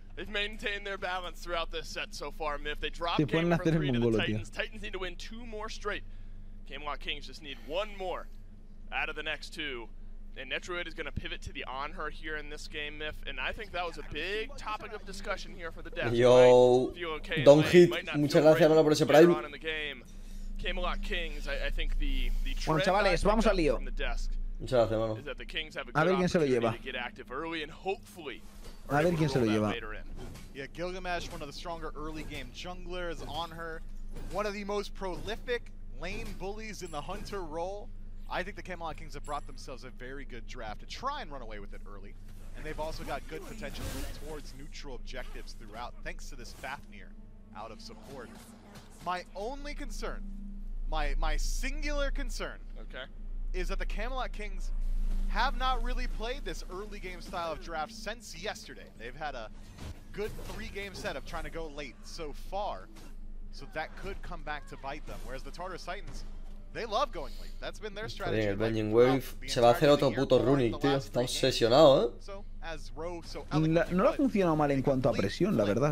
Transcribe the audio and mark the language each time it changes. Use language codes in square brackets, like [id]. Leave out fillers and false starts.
[en] They've maintained their balance throughout this set so far, Miff. They dropped game from three to the Titans. Titans need to win two more straight. Camelot Kings just need one more out of the next two. And Netroid is going to pivot to the Onher here in this game, Miff. And I think that was a big topic of discussion here for the Deaths. [es] Yo, Don Hit, muchas gracias por ese Prime. [en] Camelot Kings, I think the [es] bueno, chavales, vamos al lío. Muchas gracias, mano. [en] Is that the Kings have a good opportunity [es] se lo lleva. [en] To get active early and hopefully... [es] A ver quién se lo lleva. [en] Yeah, Gilgamesh, one of the stronger early game junglers on her. One of the most prolific lane bullies in the hunter role. I think the Camelot Kings have brought themselves a very good draft to try and run away with it early. And they've also got good potential towards neutral objectives throughout, thanks to this Fafnir out of support. My only concern, my singular concern, okay, is that the Camelot Kings have not really played this early game style of draft since yesterday. They've had a good three-game setup trying to go late so far, so that could come back to bite them. Whereas the Tartarus Titans, they love going late. That's been their strategy. [es] Sí, el Bending Wave se va a hacer otro puto runic, tío. Están obsesionados, ¿eh? [en] So, [es] No lo ha funcionado mal en cuanto a presión, la verdad.